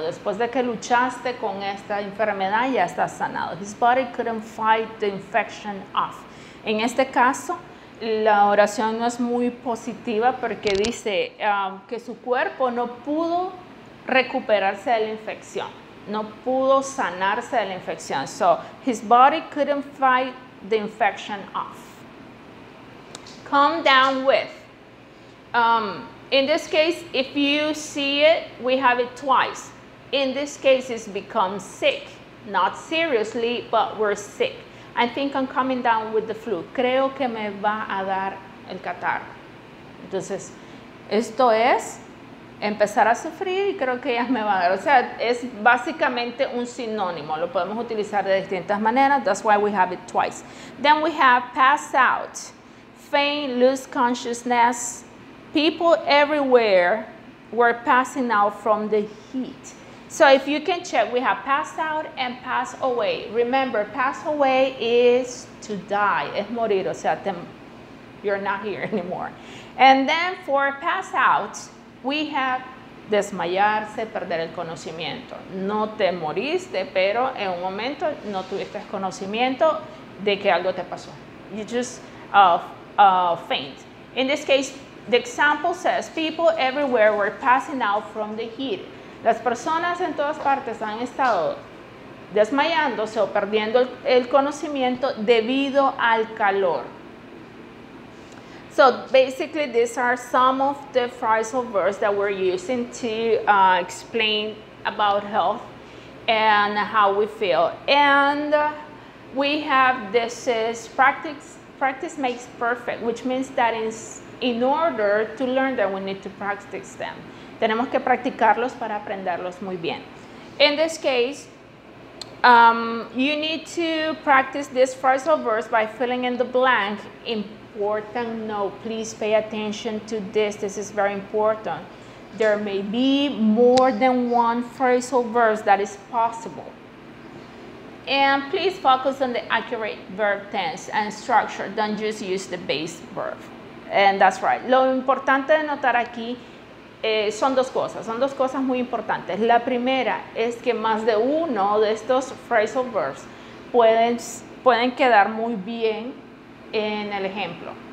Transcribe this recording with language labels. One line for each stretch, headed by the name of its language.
Spanish: Después de que luchaste con esta enfermedad, ya estás sanado.
English: His body couldn't fight the infection off.
Spanish: En este caso, la oración no es muy positiva porque dice que su cuerpo no pudo recuperarse de la infección. No pudo sanarse de la infección.
English: So, his body couldn't fight the infection off. Calm down with. In this case, if you see it, we have it twice. In this case, it's become sick. Not seriously, but we're sick. I think I'm coming down with the flu.
Spanish: Creo que me va a dar el catarro. Entonces, esto es empezar a sufrir y creo que ya me va a dar. O sea, es básicamente un sinónimo. Lo podemos utilizar de distintas maneras.
English: That's why we have it twice. Then we have pass out. Faint, lose consciousness. People everywhere were passing out from the heat. So if you can check, we have passed out and pass away. Remember, pass away is to die.
Spanish: Es morir, o sea,
English: you're not here anymore. And then for pass out, we have
Spanish: desmayarse, perder el conocimiento. No te moriste, pero en un momento no tuviste conocimiento de que algo te pasó.
English: You just faint. In this case, the example says, people everywhere were passing out from the heat.
Spanish: Las personas en todas partes han estado desmayándose o perdiendo el conocimiento debido al calor.
English: So basically these are some of the phrasal verbs that we're using to explain about health and how we feel. And we have this is practice makes perfect, which means that in order to learn them, we need to practice them.
Spanish: Tenemos que practicarlos para aprenderlos muy bien.
English: In this case, you need to practice this phrasal verse by filling in the blank. Important note, please pay attention to this. This is very important. There may be more than one phrasal verse that is possible. And please focus on the accurate verb tense and structure. Don't just use the base verb. And that's right.
Spanish: Lo importante de notar aquí son dos cosas. Son dos cosas muy importantes. La primera es que más de uno de estos phrasal verbs pueden quedar muy bien en el ejemplo.